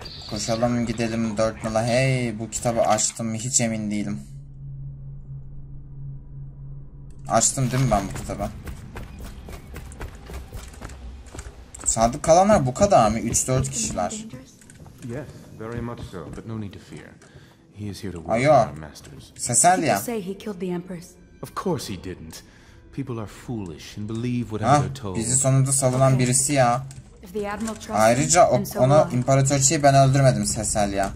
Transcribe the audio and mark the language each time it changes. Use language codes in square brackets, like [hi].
[tr] Koşalım gidelim 4 nala. Hey, bu kitabı açtım mı hiç emin değilim. Açtım değil mi ben bu kitabı? Sadık kalanlar bu kadar mı? 3-4 kişiler. [en] Yes, very much so, but no need to fear. He is here to work for our masters. Sesel ya. Say he killed the empress. Of course he didn't. People are foolish and believe what they're told. [tr] Bizi sonunda savunan birisi ya. Ayrıca onu imparatorçiyi ben öldürmedim Sesel ya.